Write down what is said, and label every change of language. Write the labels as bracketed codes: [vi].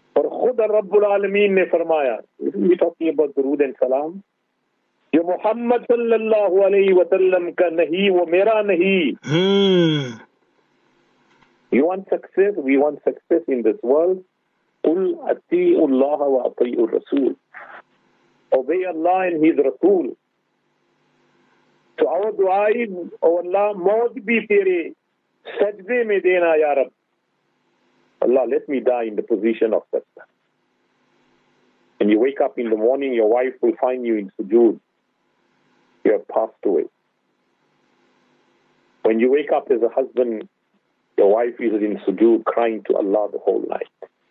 [ur] خود رب العالمین نے فرمایا, [en] we're talking about [ur] درود and سلام, جو محمد صلی اللہ علیہ وسلم کا نہیں وہ میرا نہیں. [en] You want success, we want success in this world. [ar] قل اطیع اللہ و اطیع الرسول. [en] Obey Allah and His Rasul. So our dua is, O Allah, [ur] موت بھی تیرے سجدے میں دینا یا رب. [en] Allah, let me die in the position of sajda. And you wake up in the morning, your wife will find you in sujood. You have passed away. When you wake up as a husband, your wife is in sujood, crying to Allah the whole night.